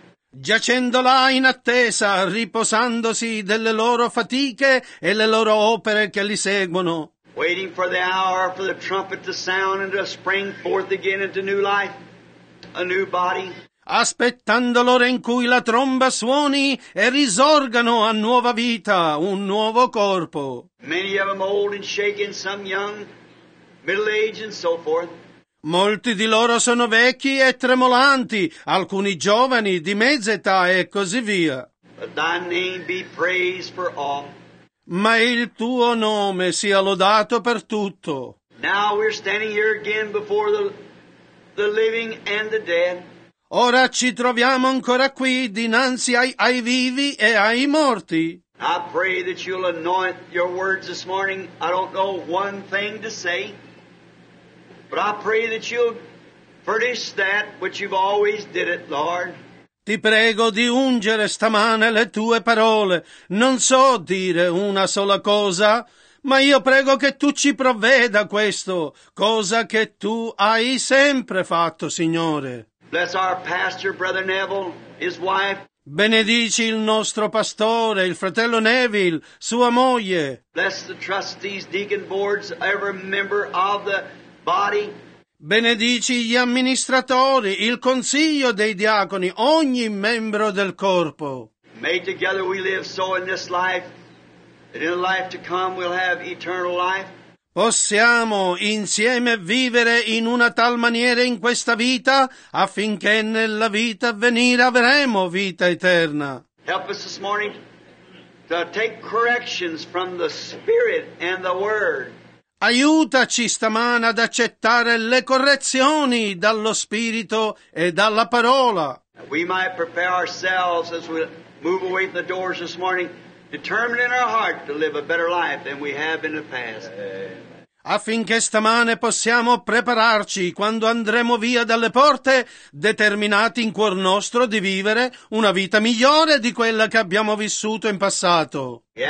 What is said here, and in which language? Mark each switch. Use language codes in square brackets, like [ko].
[it] Giacendo là in attesa, riposandosi delle loro fatiche e le loro opere che li seguono. [en] Waiting for the hour for the trumpet to sound and to spring forth again into new life, a new body. [it] Aspettando l'ora in cui la tromba suoni e risorgano a nuova vita, un nuovo corpo. [en] Many of them old and shaken, some young, middle-aged and so forth. [it] Molti di loro sono vecchi e tremolanti, alcuni giovani, di mezza età e così via. [en] But thy name be praised for all. [it] Ma il tuo nome sia lodato per tutto. [en] Now we're standing here again before the living and the dead. [it] Ora ci troviamo ancora qui dinanzi ai vivi e ai morti. [en] I pray that you'll anoint your words this morning. I don't know one thing to say, but I pray that you'll finish that which you've always did it, Lord. [it] Ti prego di ungere stamane le tue parole. Non so dire una sola cosa, ma io prego che tu ci provveda questo, cosa che tu hai sempre fatto, Signore. [en] Bless our pastor, Brother Neville, his wife. [it] Benedici il nostro pastore, il fratello Neville, sua moglie. [en] Bless the trustees, deacon boards, every member of the body. [it] Benedici gli amministratori, il consiglio dei diaconi, ogni membro del corpo. [en] May together we live so in this life, that in the life to come we'll have eternal life. [it] Possiamo insieme vivere in una tal maniera in questa vita affinché nella vita a venire avremo vita eterna. [en] Help us this morning to take corrections from the Spirit and the Word. [it] Aiutaci stamana ad accettare le correzioni dallo Spirito e dalla Parola. [en] We might prepare ourselves as we move away from the doors this morning, determined in our heart to live a better life than we have in the past. [it] Affinché stamane possiamo prepararci quando andremo via dalle porte, determinati in cuor nostro di vivere una vita migliore di quella che abbiamo vissuto in passato.